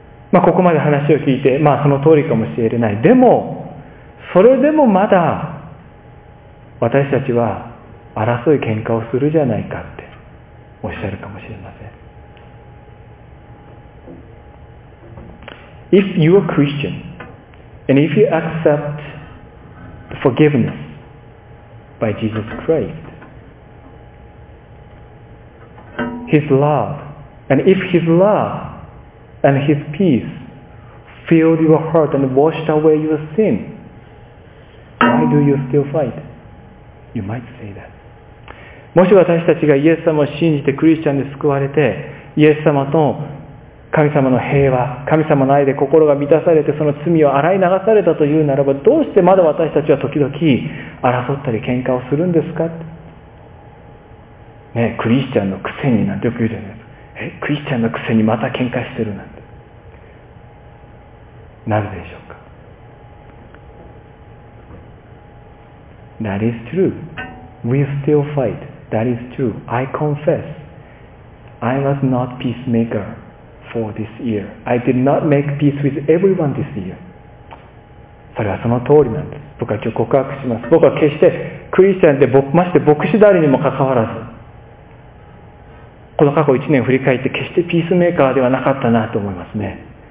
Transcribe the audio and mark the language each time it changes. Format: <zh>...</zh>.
<ja>まあここまで話を聞いて、まあその通りかもしれない。でも、それでもまだ私たちは争い喧嘩をするじゃないかっておっしゃるかもしれません。</ja> <en>If you are Christian and if you accept the forgiveness by Jesus Christ, His love, and if His love and His peace filled your heart and washed away your sin, why do you still fight? You might say that.</en> <ja>もし私たちがイエス様を信じてクリスチャンで救われて、イエス様と神様の平和、神様の愛で心が満たされて、その罪を洗い流されたというならば、どうしてまだ私たちは時々争ったり喧嘩をするんですか？ね、クリスチャンのくせになんてよく言うじゃないですか。クリスチャンのくせにまた喧嘩してるなんて。なぜでしょうか？</ja> <en>That is true. We still fight. That is true. I confess. I was not peacemaker for this year. I did not make peace with everyone this year.</en> <ja>それはその通りなんです。僕は今日告白します。僕は決してクリスチャンで、まして牧師誰にもかかわらず、この過去1年振り返って決してピースメーカーではなかったなと思いますね。</ja>